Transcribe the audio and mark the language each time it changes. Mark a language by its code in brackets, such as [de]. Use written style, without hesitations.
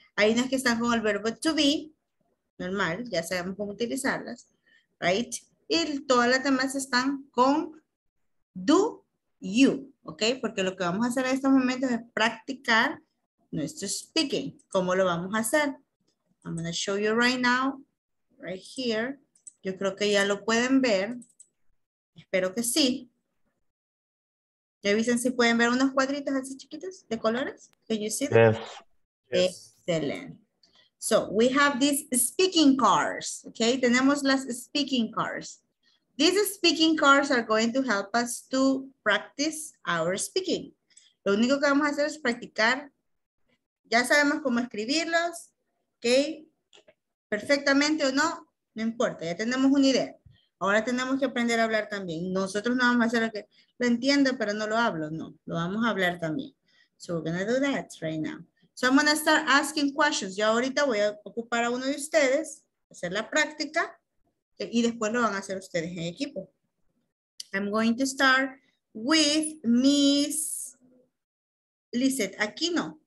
[es] Hay unas que están con el verbo to be. Normal. Ya sabemos cómo utilizarlas. Right? Y todas las demás están con do you. Okay? Porque lo que vamos a hacer en estos momentos es practicar nuestro speaking. ¿Cómo lo vamos a hacer? [en] I'm going to show you right now, right here. [es] Yo creo que ya lo pueden ver. Espero que sí. ¿Me avisan si pueden ver unos cuadritos así chiquitos de colores? [en] Can you see them? Yes. Excellent. So, we have these speaking cards. [es] Okay, tenemos las speaking cards. [en] These speaking cards are going to help us to practice our speaking. [es] Lo único que vamos a hacer es practicar. Ya sabemos cómo escribirlos. Ok, perfectamente o no, no importa, ya tenemos una idea. Ahora tenemos que aprender a hablar también. Nosotros no vamos a hacer lo que lo entiendo, pero no lo hablo. No, lo vamos a hablar también. [en] So we're going to do that right now. So I'm going to start asking questions. [es] Yo ahorita voy a ocupar a uno de ustedes, hacer la práctica, y después lo van a hacer ustedes en equipo. [en] I'm going to start with Miss Lizeth Aquino.